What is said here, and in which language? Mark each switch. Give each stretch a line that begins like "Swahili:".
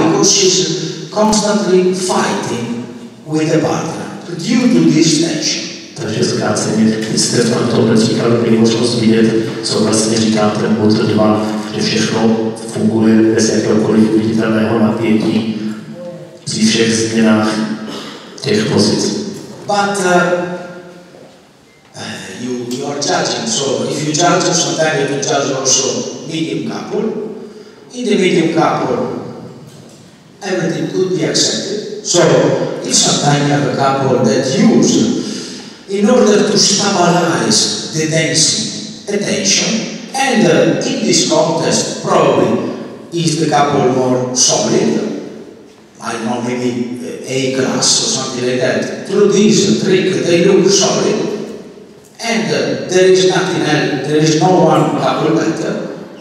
English: Because she's constantly fighting with a partner, due to this tension.
Czech: Takže zkráceně, když jste v tomto příkladu měli možnost vidět, co vlastně říká ten bod 2, že všechno funguje bez jakéhokoliv viditelného napětí při všech změnách těch pozic.
English: But you are judging, so if you judge sometimes you can judge also medium couple. In the medium couple, everything could be accepted. So, if sometimes you have a couple that use in order to stabilize the dancing attention, and in this context, probably is the couple more solid, I know maybe A class or something like that, through this trick they look solid, and there is nothing else, there is no one couple better.